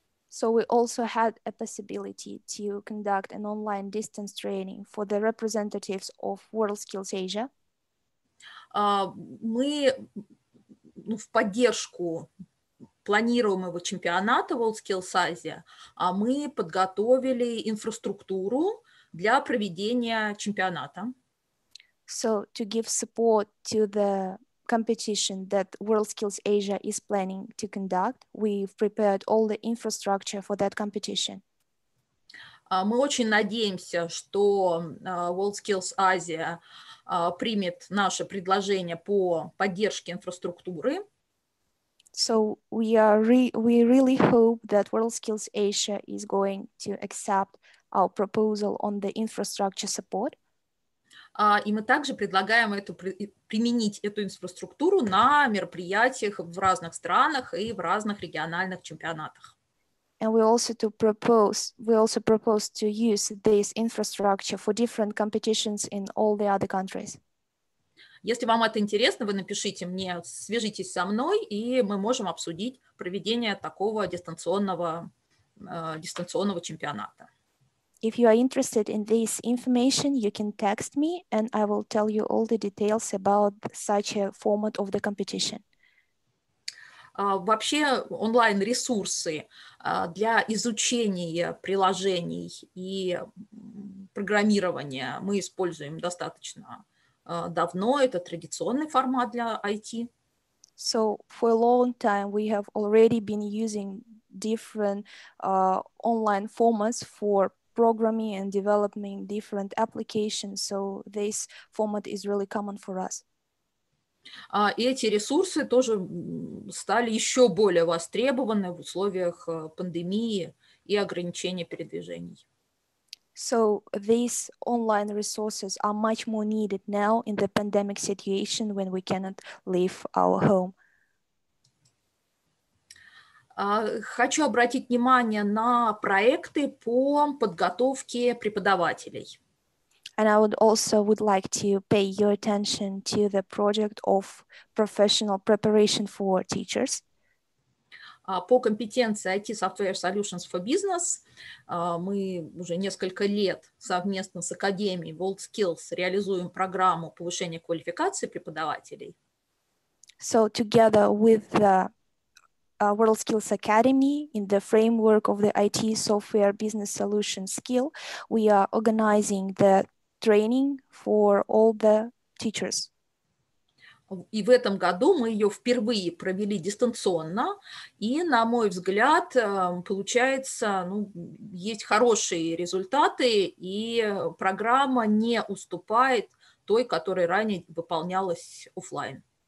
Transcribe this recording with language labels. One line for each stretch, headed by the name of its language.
English: So we also had a possibility to conduct an online distance training for the representatives of WorldSkills Asia.
Russian: Мы в поддержку планируемого чемпионата WorldSkills Asia, а мы подготовили инфраструктуру для проведения чемпионата.
English: So to give support to the competition that WorldSkills Asia is planning to conduct, we've prepared all the infrastructure for that competition.
Russian: Мы очень надеемся, что WorldSkills Asia примет наше предложение по поддержке инфраструктуры.
English: So we really hope that WorldSkills Asia is going to accept our proposal on the infrastructure support.
Russian: И мы также предлагаем применить эту инфраструктуру на мероприятиях в разных странах и в разных региональных чемпионатах.
English: And we also propose to use this infrastructure for different competitions in all the other countries.
Russian: Если вам это интересно, вы напишите мне, свяжитесь со мной, и мы можем обсудить проведение такого дистанционного чемпионата.
English: If you are interested in this information, you can text me and I will tell you all the details about such a format of the competition.
Russian: Вообще, онлайн-ресурсы для изучения приложений и программирования мы используем достаточно давно. Это традиционный формат для IT.
English: So, for a long time, we have already been using different online formats for programming and developing different applications. So this format is really common for us.
Russian: Эти ресурсы тоже стали еще более востребованы в условиях пандемии и ограничения передвижений.
English: So these online resources are much more needed now in the pandemic situation when we cannot leave our home.
Russian: Хочу обратить внимание на проекты по подготовке преподавателей.
English: And I would also would like to pay your attention to the project of professional preparation for teachers.
Russian: По компетенции IT Software Solutions for Business мы уже несколько лет совместно с Академией WorldSkills реализуем программу повышения квалификации преподавателей.
English: So together with the WorldSkills Academy in the framework of the IT Software Business Solutions Skill, we are organizing the training for all the teachers.
Russian: И в этом году мы ее впервые провели дистанционно, и, на мой взгляд, получается, ну, есть хорошие результаты, и программа не уступает той, которая ранее выполнялась офлайн.